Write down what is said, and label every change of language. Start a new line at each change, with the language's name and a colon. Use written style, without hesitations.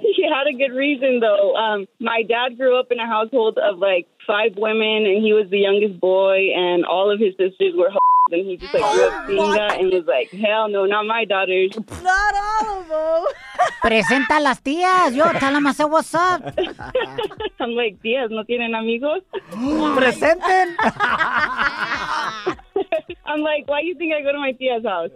English: He had a good reason, though. My dad grew up in a household of, like, 5 women, and he was the youngest boy, and all of his sisters were and he just, like, grew up seeing that and was like, hell no, not my daughters. Not all of them.
Spanish: Presenta a las tías.
English: Yo, tell them I said, what's up? I'm like,
Spanish: tías, ¿no tienen amigos? Presenten.
English: I'm like, why do you think I go to my tía's house?